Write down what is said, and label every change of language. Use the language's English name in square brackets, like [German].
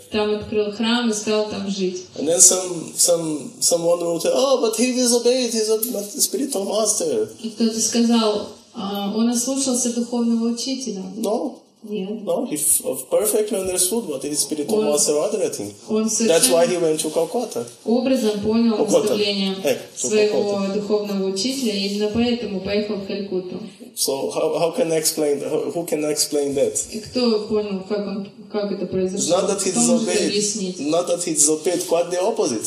[Russian] Там открыл храм и стал там жить. [English] And then someone will say, oh, but he disobeyed, he's a spiritual master. [Russian] И кто-то сказал, Он ослушался духовного учителя. [English] No. Yeah. No, he perfectly understood what his spiritual master was addressing. That's why he went to Calcutta. [Russian] Образом понял наставление своего духовного учителя, и именно поэтому поехал в Калькутту. [English] So how can I explain? Who can explain that? [Russian] Кто понял, как это произошло? [English] Not that he disobeyed. Not that he disobeyed. Quite the opposite.